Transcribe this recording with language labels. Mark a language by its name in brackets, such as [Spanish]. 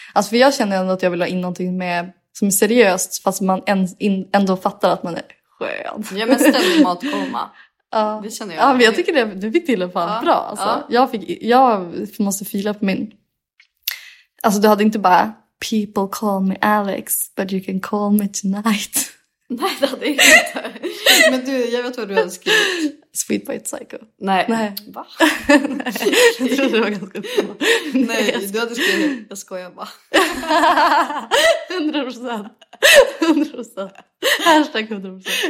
[Swedish] Alltså för jag känner ändå att jag vill ha in någonting med, som är seriöst. Fast man ändå fattar att man är skön. Ja, men ställ dig matkomma. Det känner jag. Ja, men jag tycker det, du fick till och med bra. Alltså. Jag måste fila på min... Alltså du hade inte bara... [English] People call me Alex, but you can call me tonight. [Swedish] Nej, det hade jag inte. Men du, jag vet vad du önskar. [English] Sweet White Psycho. [Swedish] Nej. Nej. Va? Nej. Jag trodde det var ganska bra. Nej, du hade skrivit, jag skojar bara. 100%. 100%. Hashtag 100%.